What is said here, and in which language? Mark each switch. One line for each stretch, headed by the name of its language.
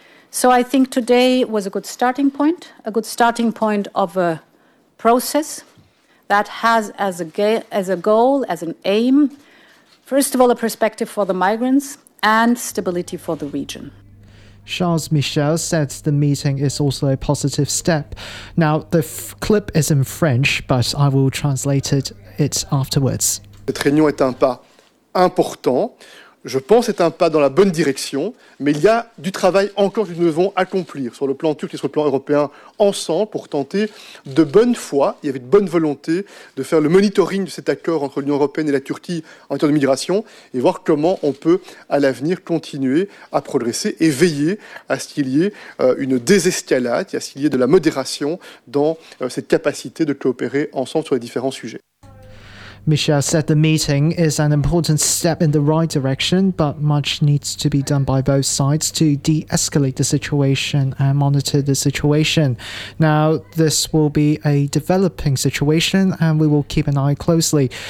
English: So I think today was a good starting point of a process that has as a goal, as an aim, first of all, a perspective for the migrants and stability for the region. Charles Michel said the meeting is also a positive step. Now, the clip is in French, but I will translate it afterwards.
French: Cette réunion est un pas important. Je pense que c'est un pas dans la bonne direction, mais il y a du travail encore que nous devons accomplir sur le plan turc et sur le plan européen ensemble pour tenter de bonne foi et avec de bonne volonté de faire le monitoring de cet accord entre l'Union européenne et la Turquie en matière de migration et voir comment on peut à l'avenir continuer à progresser et veiller à ce qu'il y ait une désescalade et à ce qu'il y ait de la modération dans cette capacité de coopérer ensemble sur les différents sujets.
English: Michel said the meeting is an important step in the right direction, but much needs to be done by both sides to de-escalate the situation and monitor the situation. Now, this will be a developing situation and we will keep an eye closely.